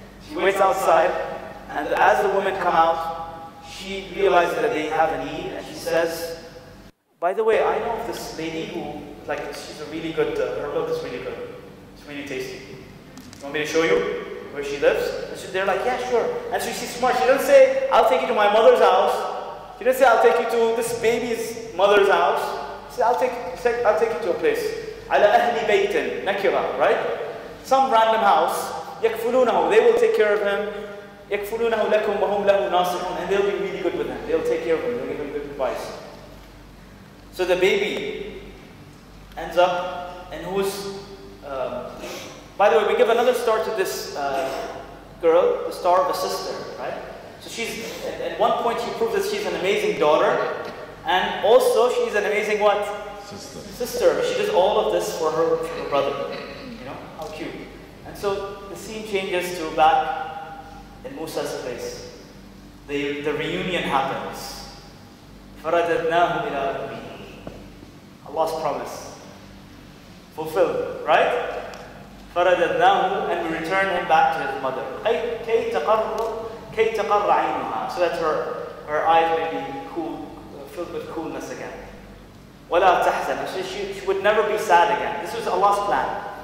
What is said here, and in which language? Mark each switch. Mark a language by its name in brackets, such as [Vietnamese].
[English] She waits outside, and as the women come out, she realizes that they have a need, and she says, by the way, I know this lady who, like, she's a really good, her milk is really good. It's really tasty. You want me to show you where she lives? And they're like, yeah, sure. And so she's smart, she doesn't say, I'll take you to my mother's house. She didn't say, I'll take you to this baby's mother's house. She said, I'll take you to a place. [Arabic] عَلَى أَهْلِ بَيْتٍ نَكِرًا, [English] right? Some random house. [Arabic] يَكْفُلُونَهُ. [English] They will take care of him. [Arabic] يَكْفُلُونَهُ لَكُمْ وَهُمْ لَهُ نَاصِحُونَ. [English] And they'll be really good with him. They'll take care of him. They'll give him good advice. So the baby ends up, and who's... By the way, we give another star to this girl, the star of a sister, right? So she's, at one point she proves that she's an amazing daughter, and also she's an amazing what? Sister. She does all of this for her brother. How cute. And so the scene changes to back in Musa's place. The reunion happens. [Arabic] فَرَدَدْنَاهُ إِلَىٰ أُمِّهِ [English] Allah's promise. Fulfilled, right? [Arabic] فَرَدَدْنَاهُ [English] And we return him back to his mother. [Arabic] كَيْ تَقَرَّ عَيْنُهَا [English] So that her eyes may be cool, filled with coolness again. [Arabic] وَلَا تَحْزَنُ [English] She would never be sad again. This was Allah's plan.